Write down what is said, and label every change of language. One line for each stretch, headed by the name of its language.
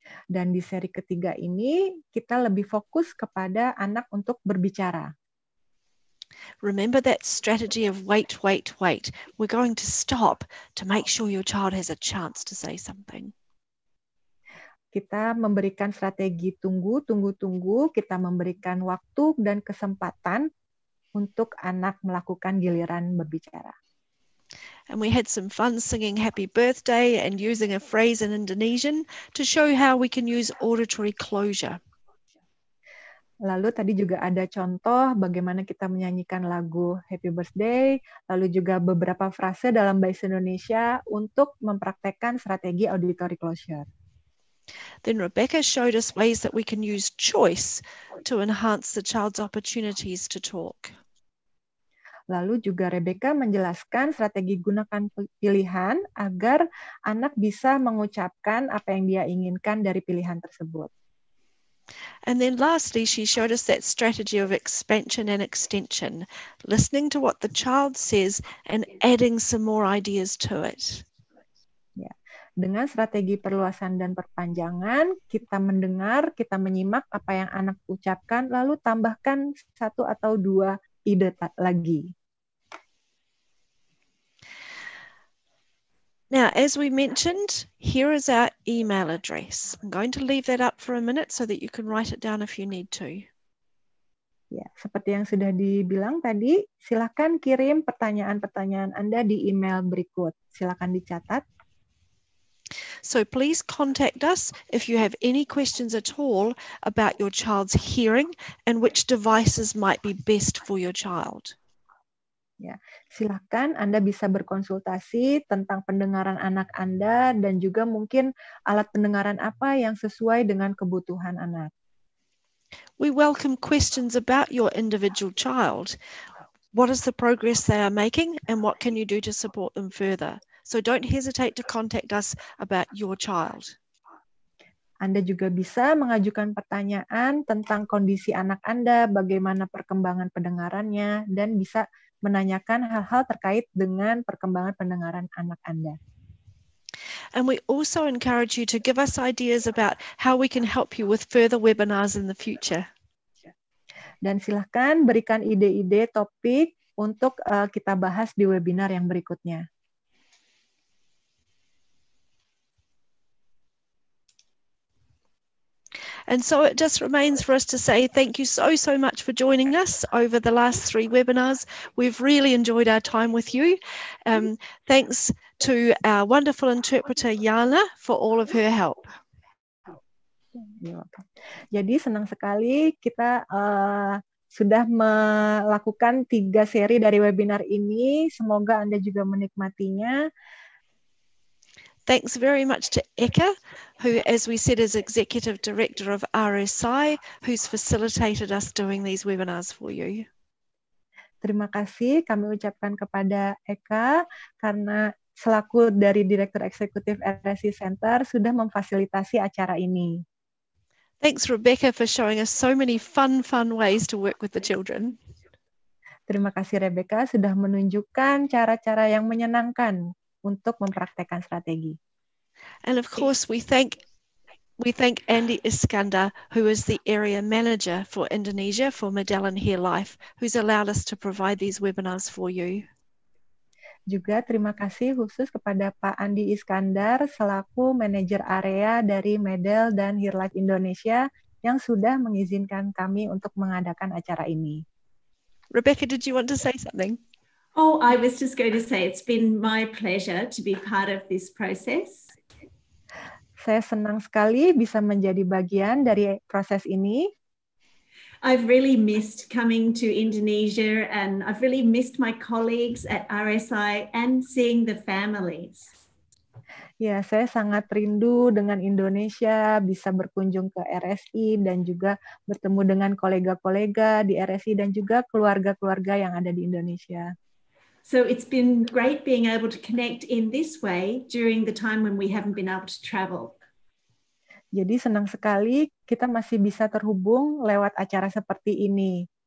Indonesian: Dan di seri ketiga ini, kita lebih fokus kepada anak untuk berbicara.
English: Remember that strategy of wait, wait, wait. We're going to stop to make sure your child has a chance to say something.
Indonesian: Kita memberikan strategi tunggu, tunggu, tunggu. Kita memberikan waktu dan kesempatan untuk anak melakukan giliran berbicara.
English: And we had some fun singing happy birthday and using a phrase in Indonesian to show how we can use auditory closure.
Indonesian: Lalu tadi juga ada contoh bagaimana kita menyanyikan lagu Happy Birthday, lalu juga beberapa frase dalam bahasa Indonesia untuk mempraktekkan strategi auditory closure.
English: Then Rebecca showed us ways that we can use choice to enhance the child's opportunities to talk.
Indonesian: Lalu juga Rebecca menjelaskan strategi gunakan pilihan agar anak bisa mengucapkan apa yang dia inginkan dari pilihan tersebut.
English: And then lastly, she showed us that strategy of expansion and extension, listening to what the child says and adding some more ideas to it. Yeah.
Indonesian: Dengan strategi perluasan dan perpanjangan, kita mendengar, kita menyimak apa yang anak ucapkan, lalu tambahkan satu atau dua ide lagi.
English: Now, as we mentioned, here is our email address. I'm going to leave that up for a minute so that you can write it down if you need to.
Indonesian: Ya, seperti yang sudah dibilang tadi, silakan kirim pertanyaan-pertanyaan Anda di email berikut. Silakan dicatat.
English: So please contact us if you have any questions at all about your child's hearing and which devices might be best for your child.
Indonesian: Ya, silakan Anda bisa berkonsultasi tentang pendengaran anak Anda dan juga mungkin alat pendengaran apa yang sesuai dengan kebutuhan anak.
English: We welcome questions about your individual child. What is the progress they are making and what can you do to support them further? So don't hesitate to contact us about your child.
Indonesian: Anda juga bisa mengajukan pertanyaan tentang kondisi anak Anda, bagaimana perkembangan pendengarannya, dan bisa menanyakan hal-hal terkait dengan perkembangan pendengaran anak Anda.
English: And we also encourage you to give us ideas about how we can help you with further webinars in the future.
Indonesian: Dan silakan berikan ide-ide topik untuk kita bahas di webinar yang berikutnya.
English: Okay. And so it just remains for us to say thank you so, so much for joining us over the last three webinars. We've really enjoyed our time with you. Thanks to our wonderful interpreter, Yana, for all of her help.
Indonesian: Jadi senang sekali kita sudah melakukan tiga seri dari webinar ini. Semoga Anda juga menikmatinya.
English: Thanks very much to Eka, who, as we said, is Executive Director of RSI, who's facilitated us doing these webinars for you.
Indonesian: Terima kasih kami ucapkan kepada Eka karena selaku dari Direktur Eksekutif RSI Center sudah memfasilitasi acara ini.
English: Thanks, Rebecca, for showing us so many fun ways to work with the children.
Indonesian: Terima kasih, Rebecca, sudah menunjukkan cara-cara yang menyenangkan untuk mempraktekkan strategi.
English: And of course, we thank Andy Iskandar, who is the area manager for Indonesia for Medellin Here Life, who's allowed us to provide these webinars for you.
Indonesian: Juga terima kasih khusus kepada Pak Andi Iskandar selaku manajer area dari Medel dan Here Life Indonesia yang sudah mengizinkan kami untuk mengadakan acara ini.
English: Rebecca, did you want to say something? Oh, I was just going to say it's been my pleasure to be part of this process.
Indonesian: Saya senang sekali bisa menjadi bagian dari proses ini.
English: I've really missed coming to Indonesia and I've really missed my colleagues at RSI and seeing the families.
Indonesian: Ya, saya sangat rindu dengan Indonesia, bisa berkunjung ke RSI dan juga bertemu dengan kolega-kolega di RSI dan juga keluarga-keluarga yang ada di Indonesia.
English: So it's been great being able to connect in this way during the time when we haven't been able to travel.
Indonesian: Jadi senang sekali kita masih bisa terhubung lewat acara seperti ini.